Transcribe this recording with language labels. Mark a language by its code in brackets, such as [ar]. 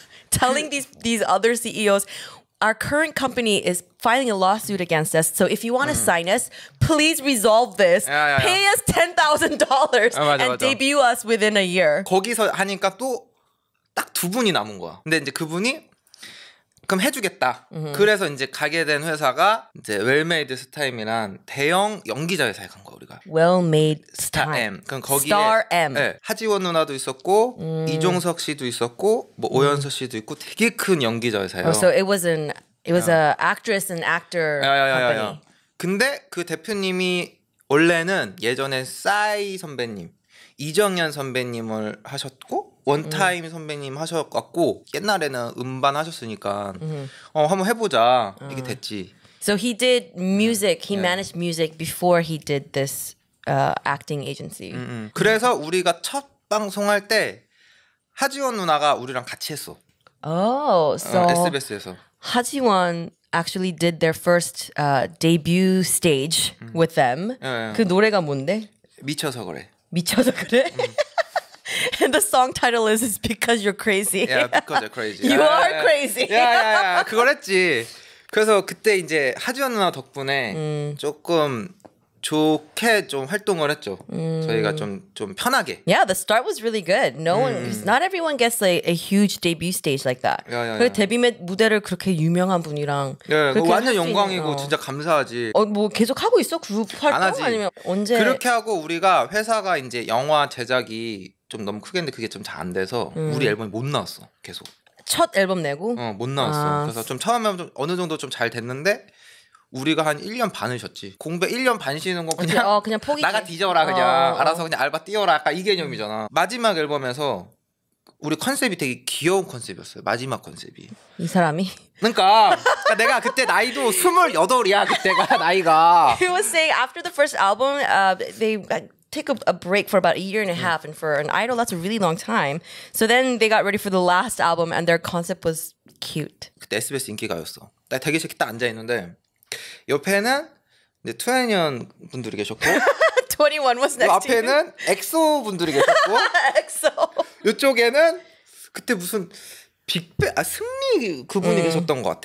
[en] Telling these other CEOs, our current company is filing a lawsuit against us. So if you want to sign us, please resolve this. Pay us $10,000 and [ko] 맞아. [en] debut us within a year. [ko] 거기서 하니까 또 딱 두 분이 남은 거야. 근데 이제 그분이 그럼 해주겠다. Mm-hmm. 그래서 이제 가게 된 회사가 이제 웰메이드 스타임이란 대형 연기자 회사에 간 거야 우리가. 웰메이드 스타 M. 그럼 거기에 Star M. 네, 하지원 누나도 있었고 이종석 씨도 있었고 뭐 오연서 씨도 있고 되게 큰 연기자 회사예요. [en] Oh, so it was an it was a actress and actor company. [ko] 근데 그 대표님이 원래는 예전에 싸이 선배님 이정현 선배님을 하셨고 원타임 선배님 하셨고 옛날에는 음반 하셨으니까 한번 해보자 이게 됐지. [en] So he did music. He managed music before he did this acting agency. [ko] 그래서 우리가 첫 방송할 때 하지원 누나가 우리랑 같이 했어. [en] Oh, so [ko] SBS에서 [en] 하지원 actually did their first debut stage with them. [ko] 그 노래가 뭔데? 미쳐서 그래. 미쳐서 그래? [en] And the song title is because you're crazy. Yeah, because you're crazy. You are crazy. Yeah, yeah, yeah. [ko] 그걸 했지. 그래서 그때 이제 하지원 누나 덕분에 조금 좋게 좀 활동을 했죠. 저희가 좀 편하게. [en] Yeah, the start was really good. No one, not everyone gets a huge debut stage like that. Yeah, yeah, yeah. [ko] 그 데뷔 무대를 그렇게 유명한 분이랑. Yeah, 그 완전 영광이고 진짜 감사하지. 뭐 계속 하고 있어 그룹 활동 아니면 언제? 그렇게 하고 우리가 회사가 이제 영화 제작이 좀 너무 크겠는데 그게 좀 잘 안 돼서 우리 앨범이 못 나왔어 계속. 첫 앨범 내고? 어, 못 나왔어. 아. 그래서 좀 처음에 좀 어느 정도 좀 잘 됐는데 우리가 한 1년 반을 쉬었지. 공백 1년 반 쉬는 거 그냥 그냥 포기. 나가 뒤져라 그냥 알아서 그냥 알바 뛰어라 약간 이 개념이잖아. 마지막 앨범에서 우리 컨셉이 되게 귀여운 컨셉이었어요. 마지막 컨셉이. 이 사람이? 그러니까 내가 그때 나이도 28이야 그때가 나이가. [en] He was saying after the first album they take a break for about a year and a half, and for an idol, that's a really long time. So then they got ready for the last album, and their concept was cute. [ko] 그때 SBS 인기가였어. 나 대기실 딱 앉아 있는데 옆에는 이제 투애니언 분들이 계셨고, [en] 21 was next. [ko] 앞에는 엑소 분들이 계셨고, 엑소. 이쪽에는 그때 무슨 빅뱅 승리 그분이 계셨던 것 같아.